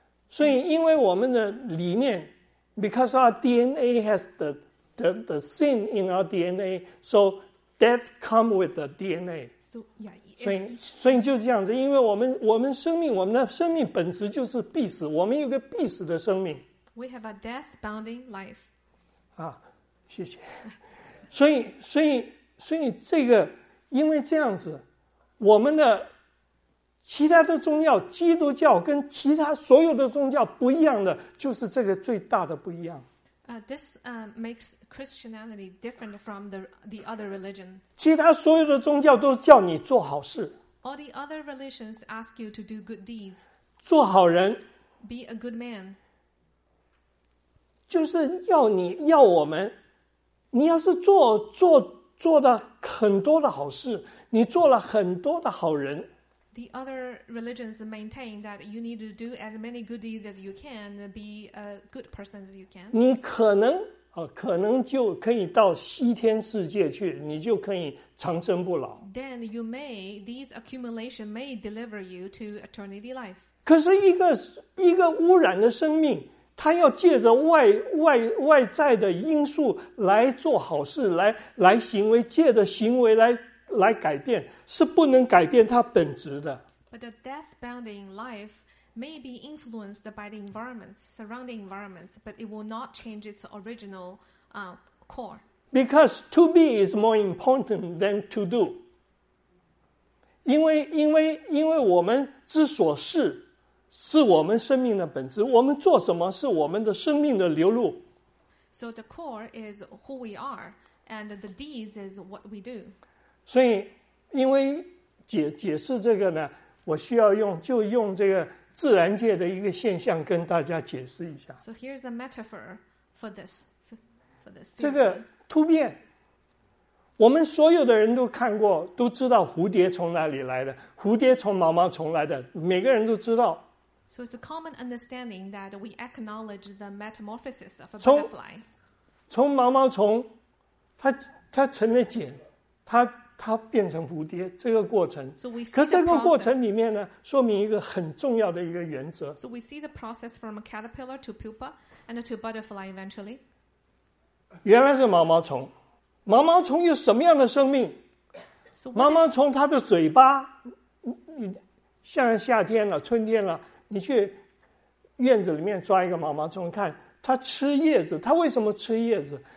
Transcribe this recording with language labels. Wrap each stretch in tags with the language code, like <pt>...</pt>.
<zh>所以因为我们的里面</zh> <en>because our DNA has the sin in our DNA, so death come with the DNA. So, yeah,</en> <zh>所以就这样子，因为我们生命，我们的生命本质就是必死，我们有个必死的生命。</zh> <en>We have a death-bounding life.</en> <zh>啊，谢谢。所以这个，因为这样子，我们的其他的宗教，基督教跟其他所有的宗教不一样的，就是这个最大的不一样。</zh> <en>This makes Christianity different from the other religion.</en> <zh>其他所有的宗教都叫你做好事。</zh> <en>All the other religions ask you to do good deeds.</en> <zh>做好人。</zh> <en>Be a good man.</en> <zh>就是要你要我们，你要是做的很多的好事，你做了很多的好人。</zh> <en>The other religions maintain that you need to do as many good deeds as you can, be a good person as you can.</en> <zh>你可能可能就可以到西天世界去，你就可以长生不老。</zh> <en>Then you may, these accumulation may deliver you to eternity life.</en> <zh>可是一个污染的生命，他要借着外在的因素来做好事，来行为，借着行为来改变，是不能改变他本质的。</zh> <en>But a death-bounding life may be influenced by the environments, surrounding environments, but it will not change its original core. Because to be is more important than to do.</en> <zh>因为我们之所是，是我们生命的本质，我们做什么是我们的生命的流露。</zh> <en>So the core is who we are, and the deeds is what we do.</en> <zh>所以因为解释这个呢，我需要用这个自然界的一个现象跟大家解释一下。</zh> <en>So here's a metaphor for this. For this</en> <zh>这个突变，我们所有的人都看过，都知道蝴蝶从哪里来的，蝴蝶从毛毛虫来的，每个人都知道。</zh> <en>So it's a common understanding that we acknowledge the metamorphosis of a butterfly.</en> <zh>从毛毛虫，它成了茧，它变成蝴蝶，这个过程。</zh> <en>So、</en> <zh>可这个过程里面呢，说明一个很重要的一个原则。</zh> <en>So we see the process from a caterpillar to pupa and to butterfly eventually.</en> <zh>原来是毛毛虫，毛毛虫有什么样的生命？</zh> <en>So、</en> <zh>毛毛虫它的嘴巴，像夏天了、春天了。你去院子里面抓一个毛毛虫，看它吃叶子，它为什么吃叶子？</zh>